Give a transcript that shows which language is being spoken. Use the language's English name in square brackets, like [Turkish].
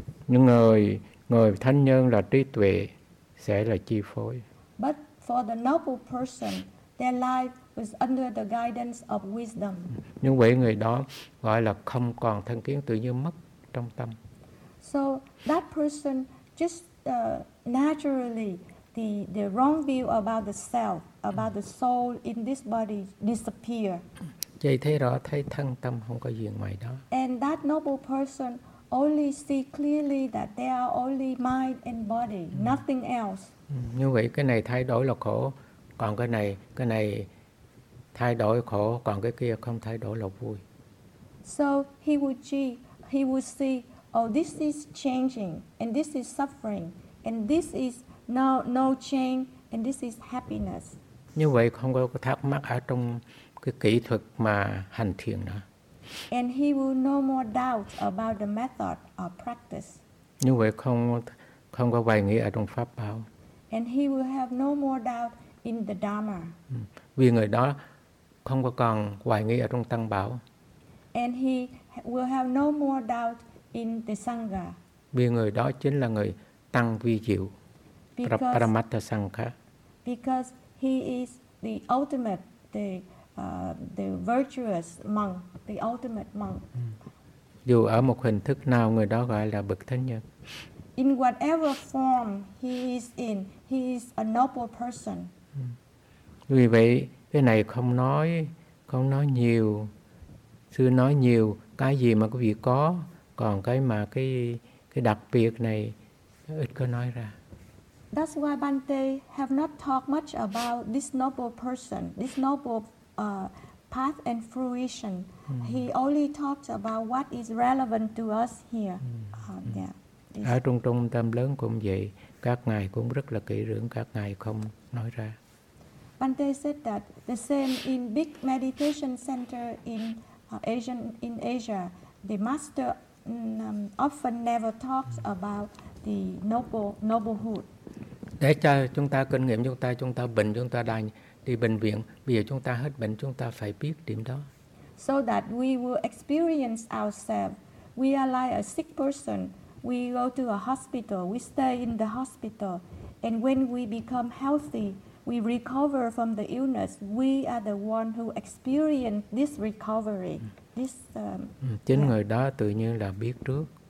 [Vietnamese] Những người thánh nhân là trí tuệ sẽ là chi phối. [English] But for the noble person, their life was under the guidance of wisdom. [Vietnamese] Nhưng vậy người đó gọi là không còn thân kiến, tự nhiên mất trong tâm. [English] So that person just naturally the wrong view about the self, about the soul in this body disappear. [Vietnamese] Vậy thấy rõ, thấy thân tâm không có gì ngoài đó. [English] And that noble person only see clearly that they are only mind and body, nothing else. [Vietnamese] Như vậy cái này thay đổi là khổ, còn cái này thay đổi khổ, còn cái kia không thay đổi là vui. [English] So he would see, oh, this is changing and this is suffering and this is no change and this is happiness. [Vietnamese] Như vậy không có thắc mắc ở trong cái kỹ thuật mà hành thiền nữa. [English] And he will no more doubt about the method of practice. [Vietnamese] Như vậy không có hoài nghi ở trong pháp bảo. [English] And he will have no more doubt in the Dharma. [Vietnamese] Vì người đó không có còn hoài nghi ở trong tăng bảo. [English] And he will have no more doubt in the Sangha. [Vietnamese] Vì người đó chính là người tăng vi diệu, Paramattha Sangha. [English] Because he is the ultimate, the virtuous monk, the ultimate monk. [Vietnamese] Dù ở một hình thức nào, người đó gọi là bậc thánh nhân. [English] In whatever form he is in, he is a noble person. [Vietnamese] Vì vậy, cái này không nói nhiều. Xưa nói nhiều, cái gì mà quý vị có, còn cái mà cái đặc biệt này, ít có nói ra. [English] That's why Bhante have not talked much about this noble person, this noble path and fruition. He only talked about what is relevant to us here. [Vietnamese] Ở trong trung tâm lớn cũng vậy, các ngài cũng rất là kỹ lưỡng, các ngài không nói ra. [English] Bhante said that the same in big meditation center in Asia, the master often never talks about the noblehood. [Vietnamese] Để cho chúng ta kinh nghiệm, chúng ta bệnh, chúng ta đang đi bệnh viện, bây giờ chúng ta hết bệnh, chúng ta phải biết điểm đó. [English] So that we will experience ourselves, we are like a sick person. We go to a hospital, we stay in the hospital, and when we become healthy, we recover from the illness, we are the one who experience this recovery. [Vietnamese] Chính người đó tự nhiên là biết trước.